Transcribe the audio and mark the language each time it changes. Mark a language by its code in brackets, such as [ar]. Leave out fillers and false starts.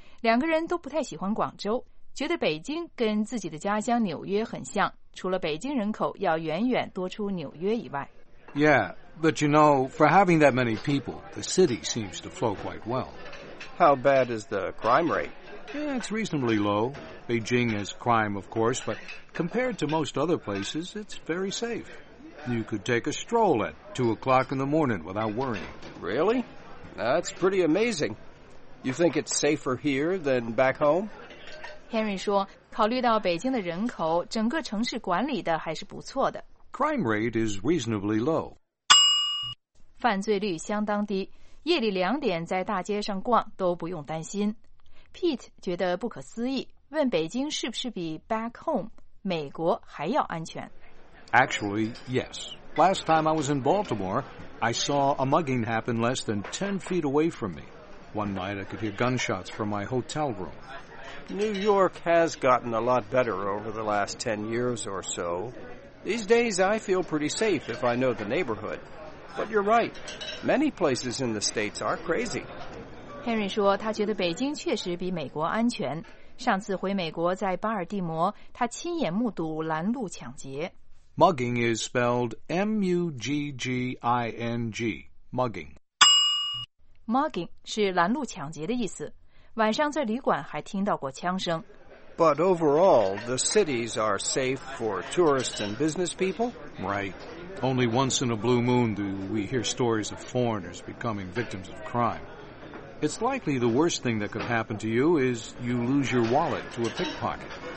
[zh] 两个人都不太喜欢广州，觉得北京跟自己的家乡纽约很像，除了北京人口要远远多出纽约以外。 [en] Yeah, but you know, for having that many people, the city seems to flow quite well. How bad is the crime rate? Yeah, it's reasonably low. Beijing has crime, of course, but compared to most other places, it's very safe. You could take a stroll at 2 o'clock in the morning without worrying. Really? That's pretty amazing. You think it's safer here than back home? [zh] Henry 说，考虑到北京的人口，整个城市管理的还是不错的。 [en] Crime rate is reasonably low. [zh] 犯罪率相当低，夜里两点在大街上逛都不用担心。 Pete 觉得不可思议，问北京是不是比 [en] back home [zh] 美国还要安全。 [en] Actually, yes. Last time I was in Baltimore, I saw a mugging happen less than 10 feet away from me. One night I could hear gunshots from my hotel room. New York has gotten a lot better over the last 10 years or so. These days I feel pretty safe if I know the neighborhood. But you're right, many places in the states are crazy. [zh] Henry 说他觉得北京确实比美国安全。上次回美国在巴尔的摩，他亲眼目睹拦路抢劫。 [en] Mugging is spelled M-U-G-G-I-N-G, mugging. [zh] Mugging 是拦路抢劫的意思。晚上在旅馆还听到过枪声。 [en] But overall, the cities are safe for tourists and business people? Right. Only once in a blue moon do we hear stories of foreigners becoming victims of crime. It's likely the worst thing that could happen to you is you lose your wallet to a pickpocket.